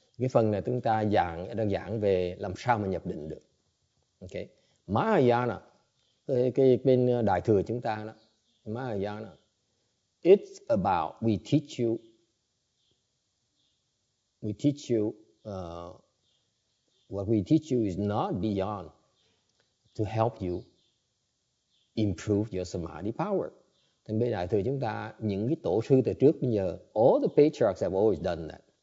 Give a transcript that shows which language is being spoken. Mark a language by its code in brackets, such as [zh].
[vi] Cái phần này chúng ta đang giảng về làm sao mà nhập định được. [en] Okay. Mahayana, [vi] cái bên đại thừa chúng ta đó, [en] Mahayana, it's about we teach you what we teach you is not beyond to help you improve your samadhi power. [vi] Thì bên đại thừa chúng ta, những cái tổ sư từ trước bây giờ, [en] all the patriarchs have always done that.